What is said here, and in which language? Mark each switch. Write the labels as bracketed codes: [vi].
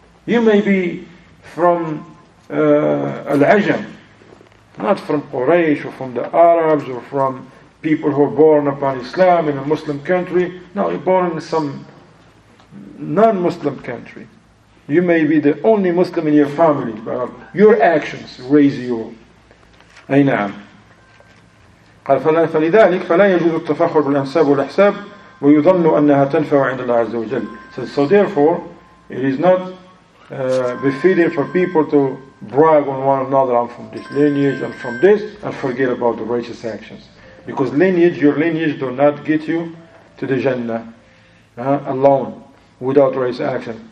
[en] You may be from Al-Ajam, not from Quraysh or from the Arabs or from people who are born upon Islam in a Muslim country. No, you're born in some non-Muslim country. You may be the only Muslim in your family, but your actions raise you. [ar] Aynam. قال فلذلك فلا يجوز التفاخر بالأنساب والأحساب ويظن أنها تنفع عند الله عز وجل. [en] So therefore, it is not befitting for people to brag on one another. I'm from this lineage, I'm from this, and forget about the righteous actions. Because lineage, your lineage, do not get you to the Jannah alone without righteous action.